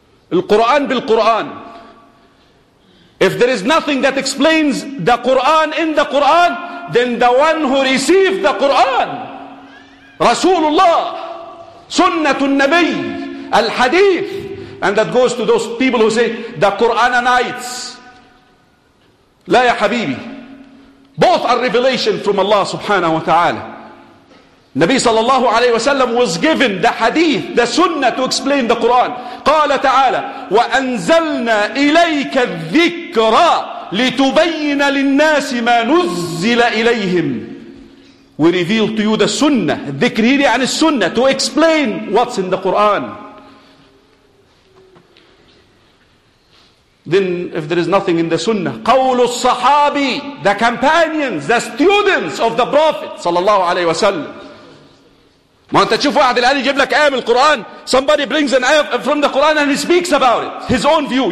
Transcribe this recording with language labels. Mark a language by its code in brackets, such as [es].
[en] Al-Quran bil-Quran. If there is nothing that explains the Quran in the Quran, then the one who received the Quran, Rasulullah, Sunnatul Nabi, Al-Hadith, and that goes to those people who say, the Quranites. La ya Habibi. Both are revelation from Allah subhanahu wa ta'ala. Nabi sallallahu alayhi wa sallam was given the hadith, the sunnah to explain the Quran. [ar] Qala ta'ala, وَأَنزَلْنَا إِلَيْكَ الذِّكْرَ لِتُبَيِّنَ لِلنَّاسِ مَا نُزِّلَ إِلَيْهِمْ. [en] We reveal to you the sunnah, dhikr here عن sunnah, to explain what's in the Quran. Then if there is nothing in the sunnah, [ar] قَوْلُ الصَّحَابِ, [en] the companions, the students of the Prophet sallallahu alayhi wa sallam. [ar] ما أنت تشوف واحد الآن يجيب لك آية من القرآن. [en] Somebody brings an ayah from the Quran and he speaks about it, his own view.